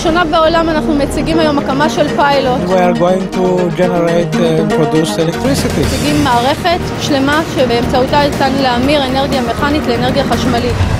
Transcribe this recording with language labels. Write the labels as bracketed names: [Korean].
[Hebrew] בעולם אנחנו מציגים היום הקמה של פיילוט. [English] We are going to generate and produce electricity. [Hebrew] מציגים מערכת שלמה שבאמצעותה ניתן להמיר אנרגיה מכנית לאנרגיה חשמלית.